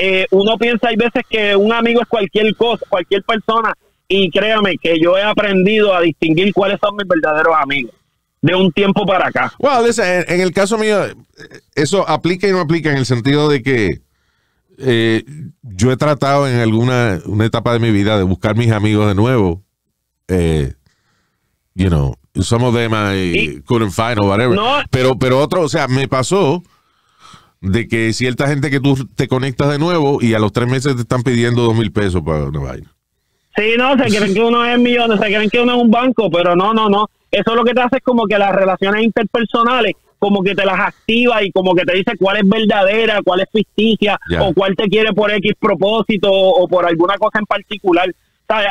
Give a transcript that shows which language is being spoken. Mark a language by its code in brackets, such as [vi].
[es] Uno piensa, hay veces que un amigo es cualquier cosa, cualquier persona, y créame que yo he aprendido a distinguir cuáles son mis verdaderos amigos de un tiempo para acá. Bueno, well, en el caso mío, eso aplica y no aplica en el sentido de que yo he tratado en una etapa de mi vida de buscar mis amigos de nuevo. [en] You know, some of them I couldn't find or whatever. [es] No. Pero otro, o sea, me pasó de que cierta gente que tú te conectas de nuevo y a los tres meses te están pidiendo $2,000 para una vaina. Sí, no, se creen que uno es millones, se creen que uno es un banco, pero no. Eso lo que te hace es como que las relaciones interpersonales, como que te las activa y como que te dice cuál es verdadera, cuál es ficticia, yeah, o cuál te quiere por X propósito o por alguna cosa en particular. ¿Sabes?